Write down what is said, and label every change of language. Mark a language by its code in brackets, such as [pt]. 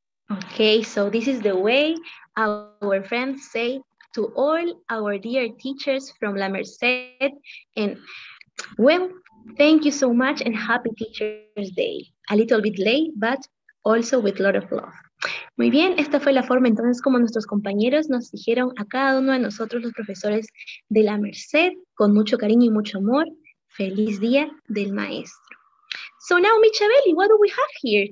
[en] Okay, so this is the way our friends say to all our dear teachers from La Merced. And well, thank you so much and happy Teacher's Day. A little bit late, but also with a lot of love. [es] Muy bien, esta fue la forma entonces como nuestros compañeros nos dijeron a cada uno de nosotros, los profesores de La Merced, con mucho cariño y mucho amor, feliz día del maestro. [en] So now, Michabeli, what do we have here?